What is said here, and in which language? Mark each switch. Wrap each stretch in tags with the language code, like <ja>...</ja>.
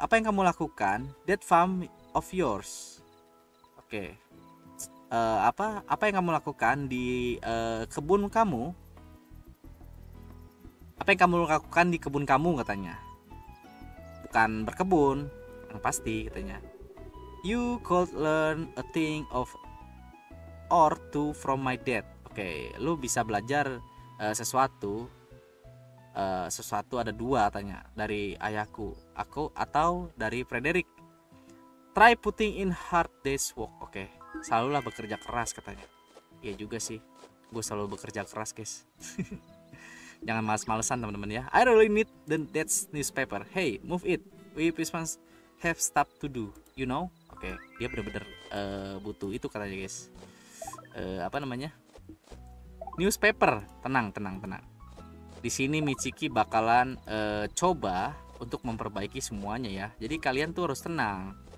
<id>Apa yang kamu lakukan?</id> <en>That farm of yours. Oke, okay.</en> <id>Apa yang kamu lakukan di kebun kamu? Apa yang kamu lakukan di kebun kamu katanya? Bukan berkebun, yang pasti katanya.</id> <en>You could learn a thing of or two from my dad. Oke, okay.</en> <id>Lu bisa belajar sesuatu ada dua katanya dari ayahku, aku atau dari Frederick.</id> <en>Try putting in hard day's work. Oke, okay.</en> <id>Selalulah bekerja keras katanya. Iya juga sih, gue selalu bekerja keras, guys. Jangan malas-malesan teman-teman ya.</id> <en>I really need the dad's newspaper. Hey, move it. We Christmas have stuff to do, you know? Oke, okay.</en> <id>Dia benar-benar butuh itu katanya, guys. Newspaper. Tenang. Di sini Michiki bakalan coba untuk memperbaiki semuanya ya. Jadi kalian tuh harus tenang.</id>